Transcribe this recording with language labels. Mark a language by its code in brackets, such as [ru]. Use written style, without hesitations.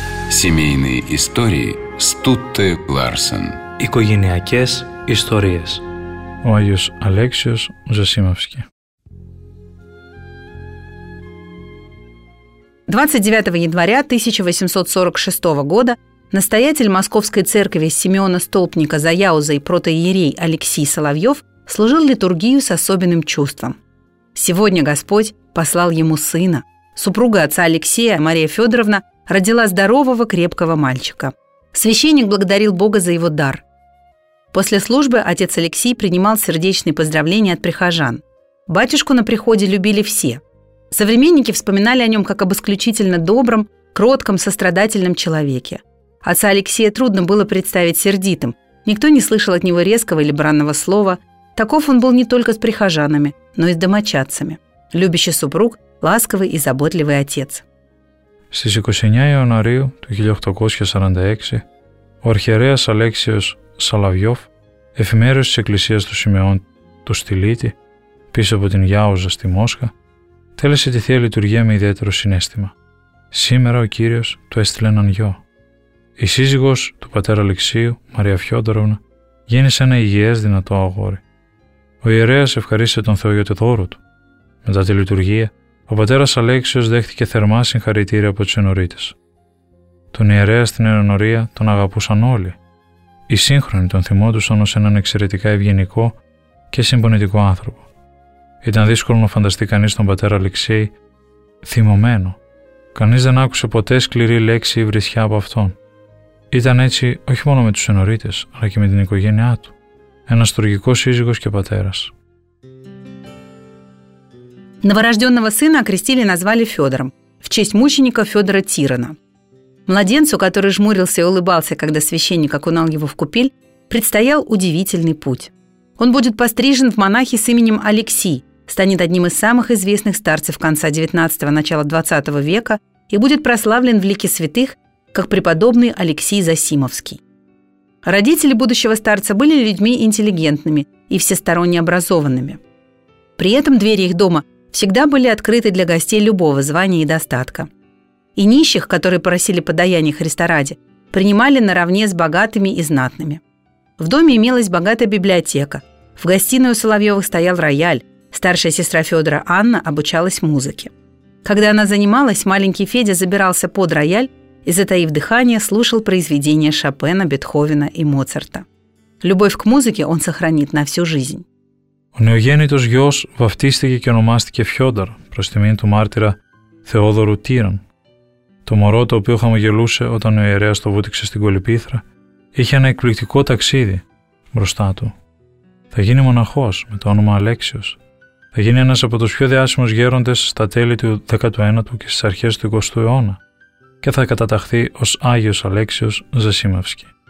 [ru] Семейные истории Стутте Ларсен. [el] Οικογενειακές ιστορίες. Ο Άγιος Αλέξιος Ζωσίμαυσκι. [ru] 29 января 1846 года настоятель Московской церкви Симеона Столпника за Яузой протоиерей Алексей Соловьев служил литургию с особенным чувством. Сегодня Господь послал ему сына. Супруга отца Алексея, Мария Федоровна, родила здорового, крепкого мальчика. Священник благодарил Бога за его дар. После службы отец Алексей принимал сердечные поздравления от прихожан. Батюшку на приходе любили все. Современники вспоминали о нем как об исключительно добром, кротком, сострадательном человеке. Отца Алексея трудно было представить сердитым. Никто не слышал от него резкого или бранного слова. Таков он был не только с прихожанами, но и с домочадцами. Любящий супруг, ласковый и заботливый отец. [el] Στις 29 Ιανουαρίου του 1846, ο αρχιερέας Αλέξιος Σαλαβιώφ, εφημέριος της Εκκλησίας του Σιμεών του Στυλίτη, πίσω από την Γιάουζα στη Μόσχα, τέλεσε τη Θεία Λειτουργία με ιδιαίτερο συνέστημα. Σήμερα ο Κύριος του έστειλε έναν γιο. Η σύζυγος του πατέρα Αλεξίου, Μαρία Φιόντοροβνα, γέννησε ένα υγιές δυνατό αγόρι. Ο ιερέας ευχαρίστησε τον Θεό για το δώρο του. Μετά τη λειτουργία, ο πατέρας Αλέξιος δέχτηκε θερμά συγχαρητήρια από τους ενορίτες. Τον ιερέα στην ενορία τον αγαπούσαν όλοι. Οι σύγχρονοι τον θυμόντουσαν ως έναν εξαιρετικά ευγενικό και συμπονητικό άνθρωπο. Ήταν δύσκολο να φανταστεί κανείς τον πατέρα Αλεξέη θυμωμένο. Κανείς δεν άκουσε ποτέ σκληρή λέξη ή βρισιά από αυτόν. Ήταν έτσι όχι μόνο με τους ενορίτες, αλλά και με την οικογένειά του. Ένας τουρκικός σύζυγος και πατέρας. [ru] Новорожденного сына окрестили и назвали Федором, в честь мученика Федора Тирана. Младенцу, который жмурился и улыбался, когда священник окунал его в купель, предстоял удивительный путь. Он будет пострижен в монахи с именем Алексий, станет одним из самых известных старцев конца XIX – начала XX века и будет прославлен в лике святых, как преподобный Алексий Засимовский. Родители будущего старца были людьми интеллигентными и всесторонне образованными. При этом двери их дома – всегда были открыты для гостей любого звания и достатка. И нищих, которые просили подаяние Христа ради, принимали наравне с богатыми и знатными. В доме имелась богатая библиотека. В гостиной у Соловьевых стоял рояль. Старшая сестра Федора Анна обучалась музыке. Когда она занималась, маленький Федя забирался под рояль и, затаив дыхание, слушал произведения Шопена, Бетховена и Моцарта. Любовь к музыке он сохранит на всю жизнь. [el] Ο νεογέννητος γιος βαφτίστηκε και ονομάστηκε Φιόντορ προς τιμή του μάρτυρα Θεόδωρου Τίραν. Το μωρό το οποίο χαμογελούσε όταν ο ιερέας το βούτυξε στην κολυπήθρα είχε ένα εκπληκτικό ταξίδι μπροστά του. Θα γίνει μοναχός με το όνομα Αλέξιος. Θα γίνει ένας από τους πιο διάσημους γέροντες στα τέλη του 19ου και στις αρχές του 20ου αιώνα και θα καταταχθεί ως Άγιος Αλέξιος Ζεσίμευσκη.